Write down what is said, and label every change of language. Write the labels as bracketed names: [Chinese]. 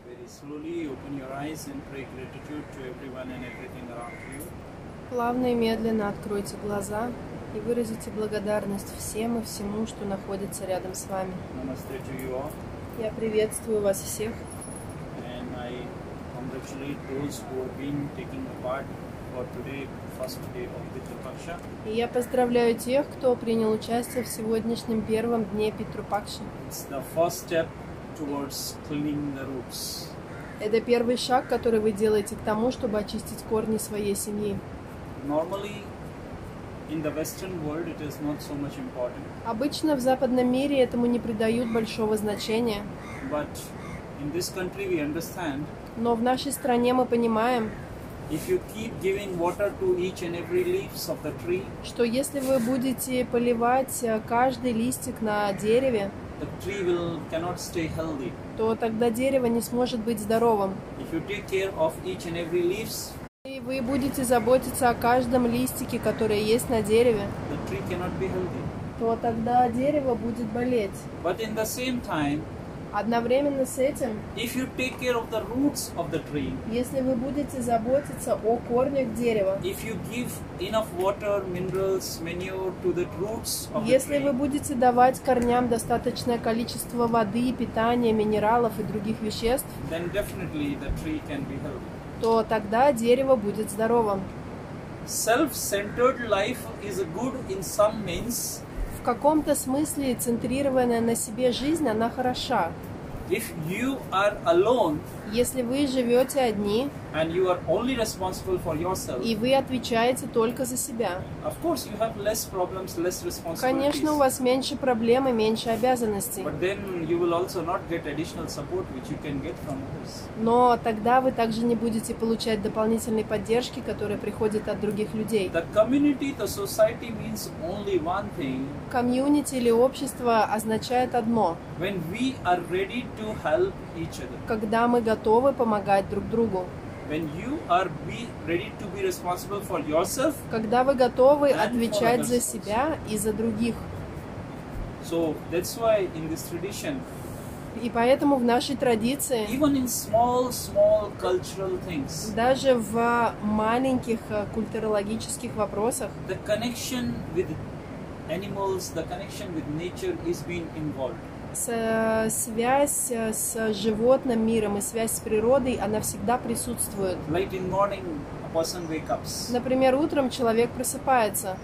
[English] slowly open your eyes and pray gratitude to everyone and everything around you. [Russian] Плавно и медленно откройте глаза и выразите благодарность всем и всему, что находится рядом с вами. [English] Namaste to you all. [Russian] Я приветствую вас всех. [English] And I congratulate those who have been taking part for today, first day of Pitrupaksha. [Russian] И я поздравляю тех, кто принял участие в сегодняшнем первом дне Питрупакши. [English] It's the first step towards cleaning the roots. [Russian] Это первый шаг, который вы делаете к тому, чтобы очистить корни своей семьи. [English] Normally, in the Western world, it is not so much important. [Russian] Обычно в западном мире этому не придают большого значения. [English] But in this country, we understand. [Russian] Но в нашей стране мы понимаем. [English] If you keep giving water to each and every leaves of the tree. [Russian] Что если вы будете поливать каждый листик на дереве. [English] The tree will cannot stay healthy. [Russian] То тогда дерево не сможет быть здоровым. [English] If you take care of each and every leaves. [Russian] И вы будете заботиться о каждом листике, который есть на дереве, [English] the tree cannot be healthy. [Russian] То тогда дерево будет болеть. [English] But in the same time, [Russian] одновременно с этим, [English] if you take care of the roots of the tree, [Russian] если вы будете заботиться о корнях дерева, [English] if you give enough water, minerals, manure to the roots of the tree, [Russian] если вы будете давать корням достаточное количество воды, питания, минералов и других веществ, [English] then definitely the tree can be healthy. [Russian] То тогда дерево будет здоровым. [English] Self-centered life is good in some means. [Russian] В каком-то смысле центрированная на себе жизнь, она хороша. [English] If you are alone, [Russian] если вы живете одни, [English] and you are only responsible for yourself, [Russian] и вы отвечаете только за себя, [English] of course you have less problems, less responsibilities. [Russian] Конечно, у вас меньше проблем и меньше обязанностей. [English] But then you will also not get additional support, which you can get from others. [Russian] Но тогда вы также не будете получать дополнительной поддержки, которая приходит от других людей. [English] The community, the society means only one thing. [Russian] Комьюнити или общество означает одно. [English] When we are ready to help each other. [Russian] Когда мы готовы помогать друг другу. [English] When you are ready to be responsible for yourself. [Russian] Когда вы готовы отвечать за себя и за других. [English] So that's why in this tradition. [Russian] И поэтому в нашей традиции. [English] Even in small cultural things. [Russian] Даже в маленьких культурологических вопросах. [English] The connection with animals, the connection with nature is being involved. [Russian] Связь с животным миром и связь с природой, она всегда присутствует. [English] Like in morning, a person wakes up. [Russian] Например, утром человек просыпается.